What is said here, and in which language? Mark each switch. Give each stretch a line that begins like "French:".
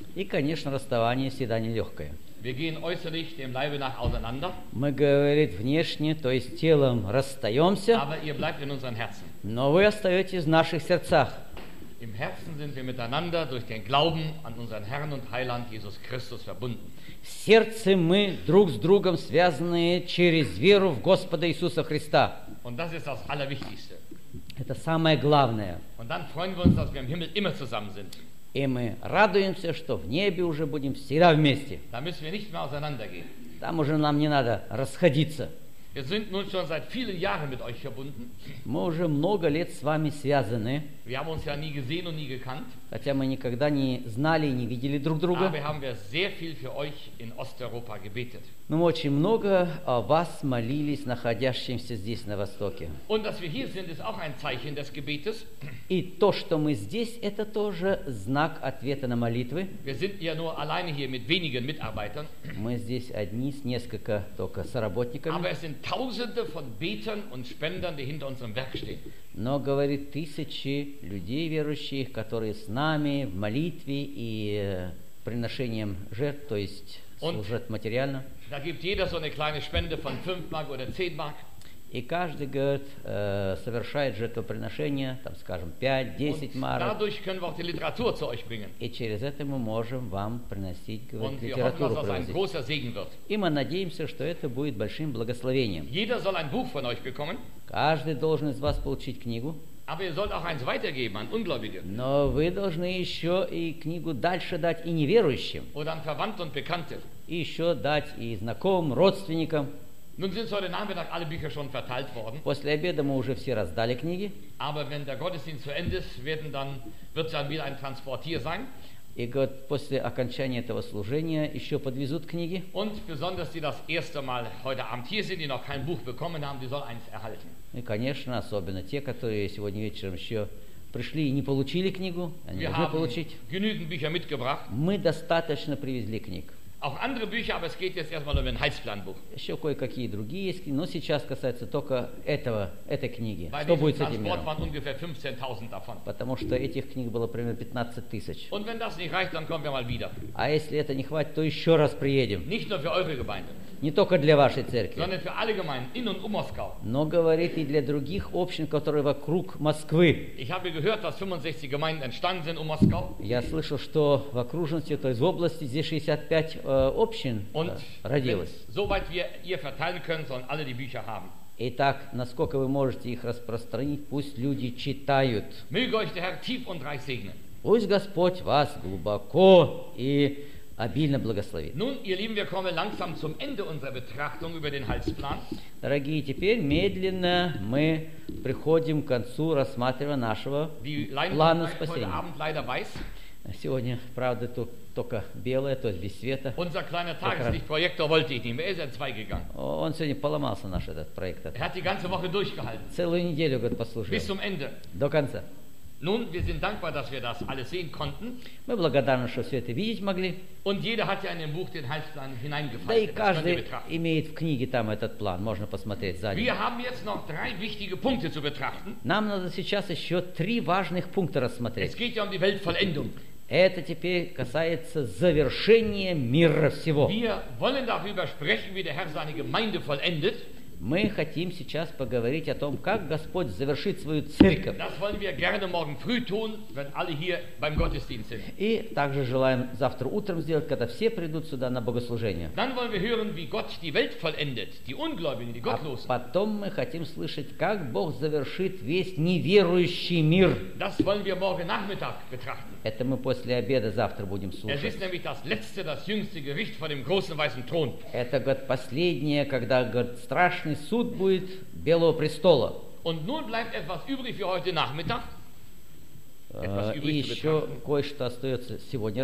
Russian: И, конечно, расставание всегда нелегкое.
German: Wir gehen äußerlich dem Leibe nach auseinander.
Russian: Мы, говорит, внешне, то есть телом расстаемся.
German: Aber ihr bleibt in unseren Herzen.
Russian: Но вы остаетесь в наших сердцах.
German: Im Herzen sind wir miteinander durch den Glauben an unseren Herrn und Heiland Jesus Christus verbunden.
Russian: В сердце мы друг с другом связаны через веру в Господа Иисуса Христа.
German: Und das ist das Allerwichtigste.
Russian: Это самое главное.
German: Und dann freuen wir uns, dass wir im Himmel immer zusammen sind.
Russian: И мы радуемся, что в небе уже будем всегда вместе.
German: Da müssen wir nicht mehr auseinandergehen.
Russian: Там уже нам не надо расходиться.
German: Wir sind nun schon seit vielen Jahren mit euch verbunden.
Russian: Мы уже много лет с вами связаны.
German: Wir haben uns ja nie gesehen und nie gekannt.
Russian: Хотя мы никогда не знали и не видели друг друга.
German: Aber haben wir sehr viel für euch in Osteuropa gebetet.
Russian: Мы очень много о вас молились, находящимся здесь на Востоке.
German: Und dass wir hier sind, ist auch ein Zeichen des Gebetes.
Russian: И то, что мы здесь, это тоже знак ответа на молитвы.
German: Wir sind ja nur alleine hier mit wenigen Mitarbeitern.
Russian: Мы здесь одни с несколько только соработниками.
German: Aber es sind Tausende von Betern und Spendern, die hinter unserem Werk stehen.
Russian: Но, говорит, тысячи людей верующих, которые с нами в молитве и приношением жертв, то есть служат материально.
German: Da gibt jeder so eine kleine Spende von 5 Mark oder 10 Mark.
Russian: И каждый, говорит, совершает жертвоприношение, там, скажем, 5-10 марок.
German: Dadurch können wir auch die Literatur zu euch bringen.
Russian: И через это мы можем вам приносить, говорит, литературу.
German: Und wir hoffen, dass das ein großer Segen wird.
Russian: И мы надеемся, что это будет большим благословением.
German: Jeder soll ein Buch von euch bekommen.
Russian: Каждый должен из вас получить книгу.
German: Aber ihr sollt auch eins weitergeben an Ungläubige.
Russian: Но вы должны еще и книгу дальше дать и неверующим.
German: Oder an Verwandte und Bekannte.
Russian: И еще дать и знакомым, родственникам.
German: Nun sind heute Nachmittag alle Bücher schon verteilt worden.
Russian: После обеда мы уже все раздали книги.
German: Aber wenn der Gottesdienst zu Ende ist, wird dann wieder ein Transportier sein.
Russian: И говорит, после окончания этого служения еще подвезут книги.
German: Und besonders die das erste Mal heute Abend hier sind, die noch kein Buch bekommen haben, die sollen eins erhalten.
Russian: И, конечно, особенно те, которые сегодня вечером еще пришли и не получили книгу, они должны получить.
German: Genügend Bücher mitgebracht.
Russian: Мы достаточно привезли книг.
German: Auch andere Bücher, aber es geht jetzt erstmal um ein Heilsplanbuch.
Russian: Еще кое-какие другие есть, но сейчас касается только этого, этой книги. Что будет с этим миром?
German: Transport waren ungefähr 15.000 davon.
Russian: Потому что этих книг было примерно 15 тысяч.
German: Und wenn das nicht reicht, dann kommen wir mal wieder.
Russian: А если это не хватит, то еще раз приедем.
German: Nicht nur für eure Gemeinde.
Russian: Не только для вашей церкви.
German: Sondern für alle Gemeinden in und um Moskau.
Russian: Но, говорит, и для других общин, которые вокруг Москвы.
German: Ich habe gehört, dass 65 Gemeinden entstanden sind um Moskau.
Russian: Я слышал, что в окружности, то есть в области, здесь 65 общин
German: und
Russian: родилось.
German: Soweit wir ihr verteilen können, sollen alle die Bücher haben.
Russian: Итак, насколько вы можете их распространить, пусть люди читают.
German: Möge euch der Herr tief und reich segnen.
Russian: Пусть Господь вас глубоко и обильно благословит.
German: Nun, ihr Lieben, wir kommen langsam zum Ende unserer Betrachtung über den Heilsplan.
Russian: Дорогие, теперь медленно мы приходим к концу рассматривания нашего плана спасения.
German: Heute Abend leider weiß.
Russian: Сегодня, правда, тут только белое, то есть без света.
German: Unser kleiner Tageslichtprojektor wollte ich nicht mehr. Er ist in zwei gegangen.
Russian: Он сегодня поломался, наш этот проект.
German: Er hat die ganze Woche durchgehalten.
Russian: Целую неделю, говорит, послужил.
German: Bis zum Ende.
Russian: До конца.
German: Nun, wir sind dankbar, dass wir das alles sehen konnten.
Russian: Мы благодарны, что все это видеть могли.
German: Und jeder hat ja in dem Buch den Heilsplan hineingefasst.
Russian: Да и каждый имеет в книге там этот план. Можно посмотреть сзади.
German: Wir haben jetzt noch drei wichtige Punkte zu betrachten.
Russian: Нам надо сейчас еще три важных пункта рассмотреть.
German: Es geht ja um die Weltvollendung.
Russian: Это теперь касается завершения мира всего.
German: Wir wollen darüber sprechen, wie der Herr seine Gemeinde vollendet.
Russian: Мы хотим сейчас поговорить о том, как Господь завершит свою церковь.
German: Das wollen wir gerne morgen früh tun, wenn alle hier beim Gottesdienst sind.
Russian: И также желаем завтра утром сделать, когда все придут сюда на богослужение.
German: Dann wollen wir hören, wie Gott die Welt vollendet, die Ungläubigen, die Gottlosen.
Russian: А потом мы хотим слышать, как Бог завершит весь неверующий мир.
German: Das wollen wir morgen Nachmittag betrachten.
Russian: Это мы после обеда завтра будем слушать.
German: Es ist nämlich das letzte, das jüngste Gericht vor dem großen weißen Thron.
Russian: Это год последнее, когда год страшный. Суд будет Белого престола.
German: Und nun bleibt etwas übrig für heute Nachmittag.
Russian: И еще кое-что остается сегодня